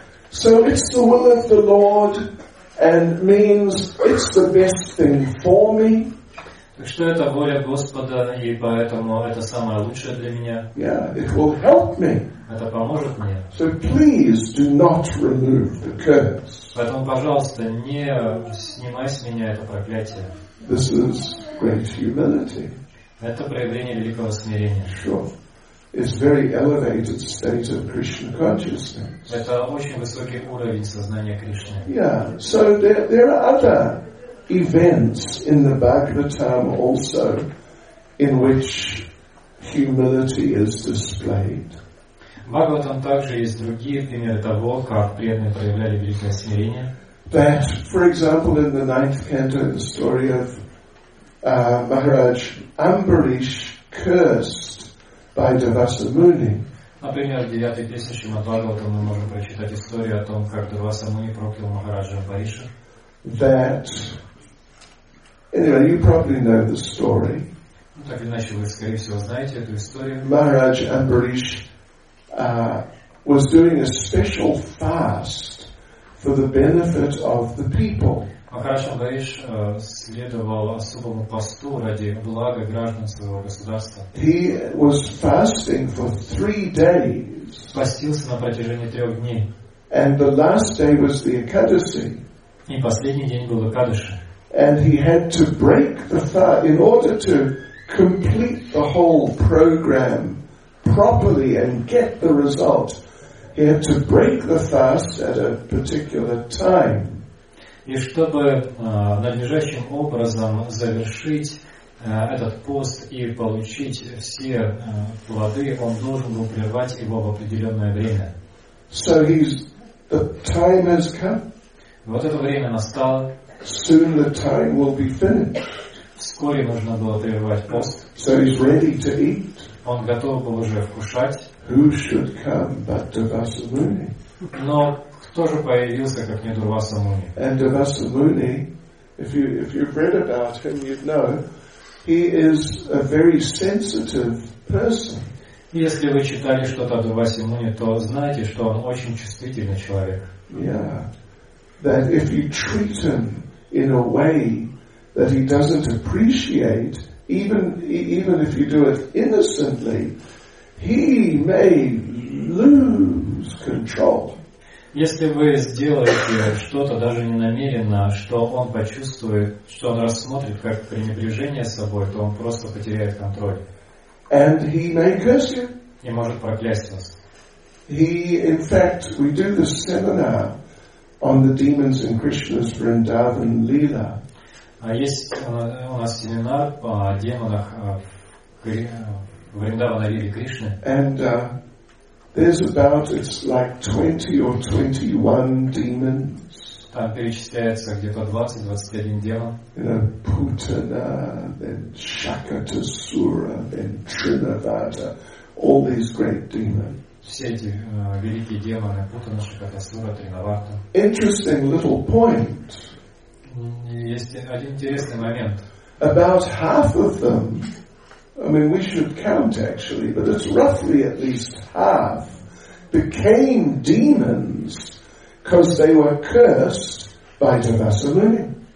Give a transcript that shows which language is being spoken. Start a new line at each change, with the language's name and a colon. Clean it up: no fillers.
English: So it's the will of the Lord, and means it's the best thing for me.
Russian: Так что это воля Господа, и поэтому это самое лучшее для меня.
English: Yeah, it will help me.
Russian: Это поможет мне.
English: So please do not remove the curse.
Russian: Поэтому, пожалуйста, не снимай с меня это проклятие.
English: This is great humility.
Russian: Это проявление великого смирения.
English: Sure. It's very elevated state of Krishna consciousness.
Russian: Это очень высокий уровень сознания Кришны.
English: Yeah, so there are other events in the Bhagavatam also in which humility is displayed.
Russian: Bhagavatam также есть другие примеры того, как преданные проявляли великое смирение.
English: That, for example, in the ninth canto, the story of Maharaj Ambarish cursed by Devasa Muni.
Russian: Например, в девятой песне Шримад Бхагаватам мы можем прочитать историю о том, как Девасу Муни проклял Махараджа Амбариша.
English: That anyway, you probably know the story.
Russian: Так или иначе, вы, скорее всего, знаете эту историю.
English: Maharaj Ambarish was doing a special fast for the benefit of the people.
Russian: Махарадж Амбариш следовал особому посту ради блага граждан своего государства.
English: He was fasting for 3 days.
Russian: Постился на протяжении 3 дней.
English: And the last day was the Ekadasi.
Russian: И последний день был Экадаши.
English: And he had to break the fast in order to complete the whole program properly and get the result. He had to break the fast at a particular time.
Russian: И чтобы надлежащим образом завершить этот пост и получить все плоды, он должен был прервать его в определенное время.
English: So the time has come.
Russian: Вот это время настало.
English: Soon the time will be finished.
Russian: Вскоре нужно было прервать пост.
English: So he's ready to eat.
Russian: Он готов был уже вкушать.
English: Who should come but Devasa Muni?
Russian: Но кто же появился, как не Девасу Муни?
English: And Devasa Muni, if you've read about him, you'd know he is a very sensitive person.
Russian: Если вы читали что-то о Девасе Муни, то знаете, что он очень чувствительный человек.
English: Yeah. That if you treat him in a way that he doesn't appreciate, even if you do it innocently, he may lose control.
Russian: Если вы сделаете что-то даже не намеренно, что он почувствует, что он рассмотрит как пренебрежение собой, то он просто потеряет контроль.
English: And he may curse you.
Russian: И может проклясть вас.
English: He, in fact, we do this seminar on the demons in Krishna's Vrindavan Leela.
Russian: Есть у нас семинар по демонах в Вриндаване Лиле Кришны.
English: And there's about, it's like 20 or 21 demons.
Russian: Там перечисляется где-то 20-21 демон.
English: And then Putana, then Shakatasura, then Trinavada, all these great demons.
Russian: Все эти великие демоны, Путана, Шакатасура, Тринаварта.
English: Interesting little point.
Russian: Есть один интересный момент.
English: About half of them, I mean, we should count actually, but it's roughly at least half, became demons because they were cursed by Devasa Muni.